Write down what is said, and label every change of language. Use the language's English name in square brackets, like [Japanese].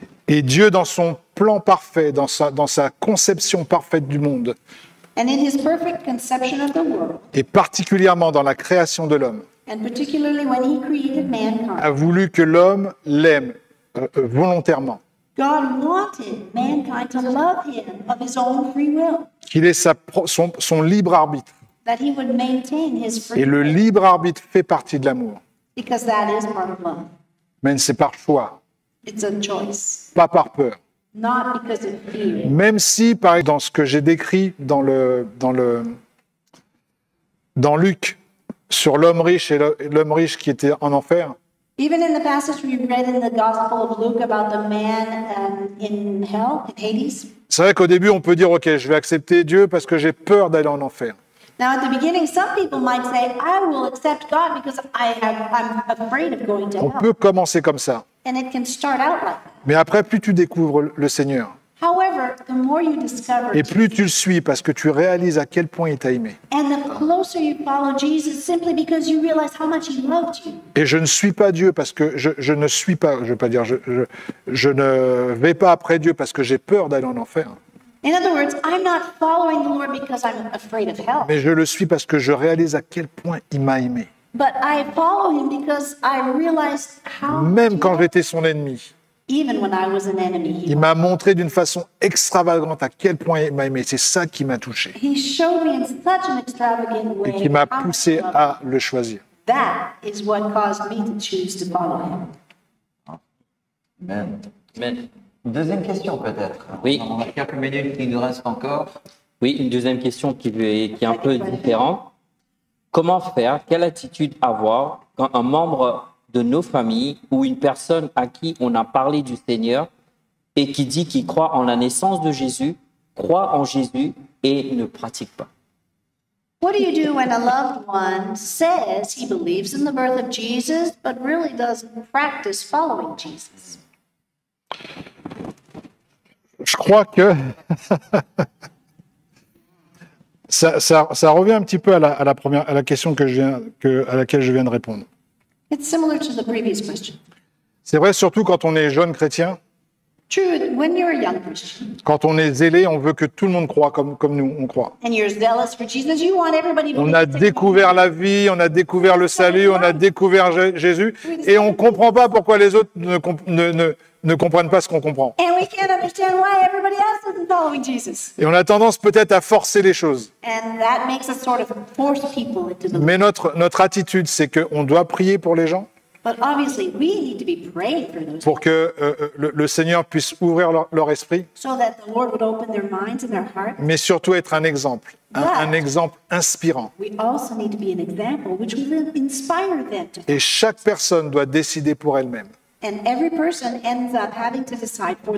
[French] Et Dieu, dans son plan parfait, dans sa conception parfaite du monde, [English] and in his perfect conception of the world, [French] et particulièrement dans la création de l'homme, [English] and particularly when he created mankind, [French] a voulu que l'homme l'aime volontairement. [English] God wanted mankind to love him of his own free will. [French] Qu'il ait son libre arbitre. [English] That he would maintain his free will. [French] Et le libre arbitre fait partie de l'amour. [English] Because that is part of love. [French] Mais c'est par choix. [English] It's a choice. [French] Pas par peur. [English] Not because of fear. [French] Même si, par exemple, dans ce que j'ai décrit dans Luc, sur l'homme riche et l'homme riche qui était en enfer. [English] Even in the passage we read in the Gospel of Luke about the man in hell, in Hades. [French] C'est vrai qu'au début, on peut dire, OK, je vais accepter Dieu parce que j'ai peur d'aller en enfer. [English] Now at the beginning, some people might say, I will accept God because I'm afraid of going to hell. [French] On peut commencer comme ça. [English] And it can start out like that. [French] Mais après, plus tu découvres le Seigneur, [English] however, the more you discover, [French] et plus tu le suis parce que tu réalises à quel point il t'a aimé. [English] And the closer you follow Jesus, simply because you realize how much he loved you. [French] Et je ne suis pas Dieu parce que je ne suis pas, je veux pas dire, je ne vais pas après Dieu parce que j'ai peur d'aller en enfer. [English] In other words, I'm not following the Lord because I'm afraid of hell. [French] Mais je le suis parce que je réalise à quel point il m'a aimé. [English] But I follow him because I realized how. [French] Même quand j'étais son ennemi. [English] Even when I was an enemy. [French] Il m'a montré d'une façon extravagante à quel point il m'a aimé. C'est ça qui m'a touché. [English] He showed me in such an extravagant way. [French] Et qui m'a poussé à le choisir. [English] That is what caused me to choose to follow him. Amen. Amen. [French] Deuxième question peut-être. Oui. On a quelques minutes qui nous restent encore. Oui, une deuxième question qui est un peu différente. Comment faire, quelle attitude avoir quand un membre de nos familles ou une personne à qui on a parlé du Seigneur et qui dit qu'il croit en la naissance de Jésus, croit en Jésus et ne pratique pas? [English] What do you do when a loved one says he believes in the birth of Jesus, but really doesn't practice following Jesus? [French] Je crois que ça revient un petit peu à la question à laquelle je viens de répondre. [English] It's similar to the previous question. [French] C'est vrai surtout quand on est jeune chrétien. [English] When you're a young Christian. [French] Quand on est zélé, on veut que tout le monde croit comme nous, on croit. [English] And you're zealous for Jesus, you want everybody. [French] On a découvert la vie, on a découvert le salut, on a découvert Jésus, et on ne comprend pas pourquoi les autres ne comprennent pas ce qu'on comprend. [English] And we can't understand why everybody else isn't following Jesus. [French] Et on a tendance peut-être à forcer les choses. [English] And that makes us sort of force people into the... [French] Mais notre attitude, c'est qu'on doit prier pour les gens. [English] But obviously we need to be praying for those [French] pour que le Seigneur puisse ouvrir leur esprit, [English] so that the Lord would open their minds and their hearts. [French] Mais surtout être un exemple, un exemple inspirant. [English] We also need to be an example which will inspire them to... [French] Et chaque personne doit décider pour elle-même. [English] And every person ends up having to decide for...